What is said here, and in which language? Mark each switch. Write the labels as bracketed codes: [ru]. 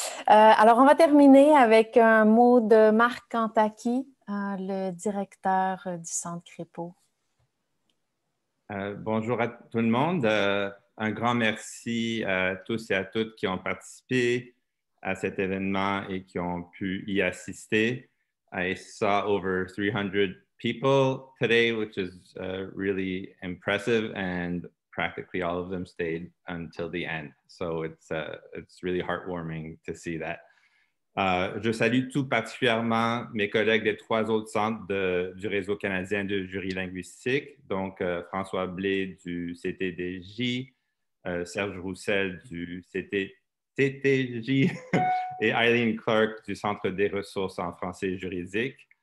[fr] Alors, on va terminer avec un mot de Marc Kantaki, le directeur du Centre Crépeau. Bonjour à tout le monde. Un grand merci à tous et à toutes qui ont participé à cet événement et qui ont pu y assister. [en] I saw over 300 people today, which is really impressive, and practically all of them stayed until the end. So it's really heartwarming to see that. [fr] Je salue tout particulièrement mes collègues des trois autres centres du Réseau canadien de jury linguistique, donc François Blé du CTDJ, Serge Roussel du CTTJ et Eileen Clark du Centre des ressources en français juridique.